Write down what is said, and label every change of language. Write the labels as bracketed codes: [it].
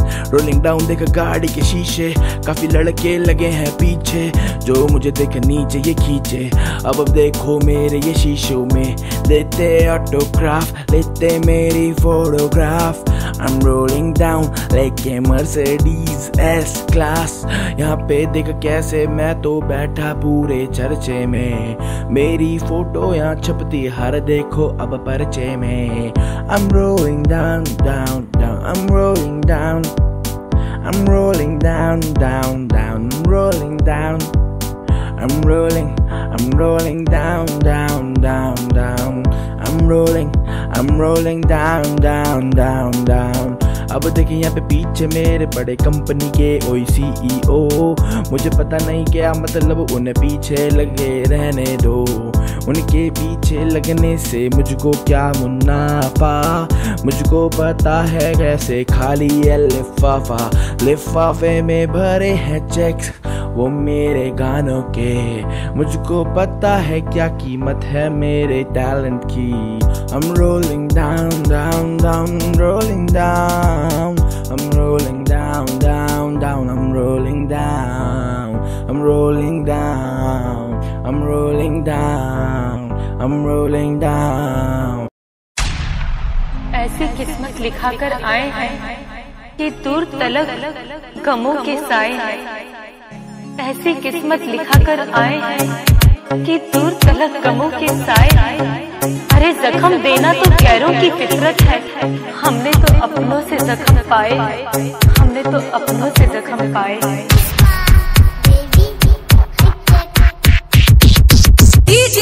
[en] Rolling down, [hi] देखा गाड़ी के शीशे, काफी लड़के लगे हैं पीछे, जो मुझे देखे नीचे ये खींचे, अब देखो मेरे ये शीशो में, लेते ऑटोग्राफ, लेते मेरी photograph. [en] I'm rolling down like a Mercedes S class, [hi] यहाँ पे देख कैसे मैं तो बैठा पूरे चर्चे में, मेरी फोटो यहाँ छपती हर देखो अब पर्चे में। [en] I'm rolling down, down, down, I'm rolling down, I'm rolling down, down, down, I'm rolling down, I'm rolling, down, down, down, down, I'm rolling, down, down, down, down. [hi] अब देखे यहाँ पे पीछे मेरे बड़े कंपनी के ओई CEO, मुझे पता नहीं क्या मतलब उन्हें पीछे लगे रहने दो, उनके पीछे लगने से मुझको क्या मुनाफा, मुझको पता है कैसे खाली है लिफाफा, लिफाफे में भरे हैं चेक्स वो मेरे गानों के, मुझको पता है क्या कीमत है मेरे टैलेंट की। [en] I'm rolling down, down, down, rolling down, I'm rolling down, down, down, I'm rolling down, I'm rolling down, I'm rolling down, I'm rolling down. [hi] ऐसी किस्मत लिखा कर आए हैं कि दूर तलक गमों के साए हैं, ऐसी किस्मत लिखा कर आए हैं कि दूर तलक गमों के साए हैं। अरे जख्म देना तो गैरों की फितरत है, हमने तो अपनों से जख्म पाए, हमने तो अपनों से जख्म पाए।